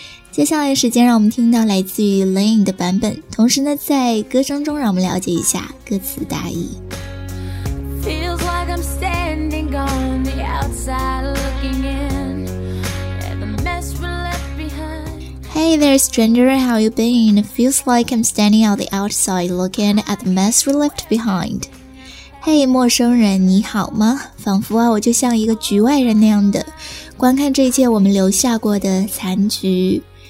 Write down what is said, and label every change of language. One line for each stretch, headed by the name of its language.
Chinese: 接下来的时间让我们听到来自于 Lane 的版本，同时呢在歌声中让我们了解一下歌词大意。
English: Feels like I'm standing on the outside looking in and the mess we're left behind. Hey there stranger, how have you been? Feels like I'm standing on the outside looking at the mess we're left behind.
Chinese: Hey 陌生人你好吗？仿佛啊我就像一个局外人那样的观看这一切我们留下过的残局。